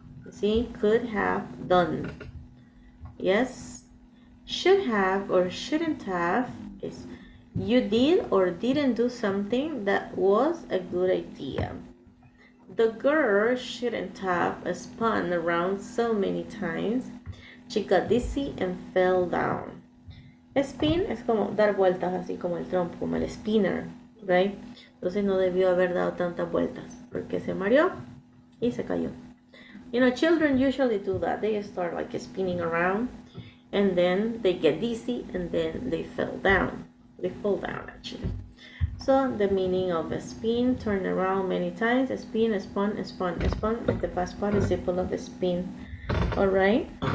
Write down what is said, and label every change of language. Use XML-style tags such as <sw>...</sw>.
<en>See, could have done. Yes, should have or shouldn't have is you did or didn't do something that was a good idea. The girl shouldn't have spun around so many times. She got dizzy and fell down.</en> <es>Spin es como dar vueltas, así como el trompo, como el spinner,</es> <en>right?</en> <es>Entonces no debió haber dado tantas vueltas porque se mareó y se cayó.</es> <en>You know, children usually do that. They start like spinning around and then they get dizzy and then they fall down. They fall down, actually. So the meaning of a spin, turn around many times, a spin, a spun, a spun, a spun, with the past participle of a spin. All right.</en>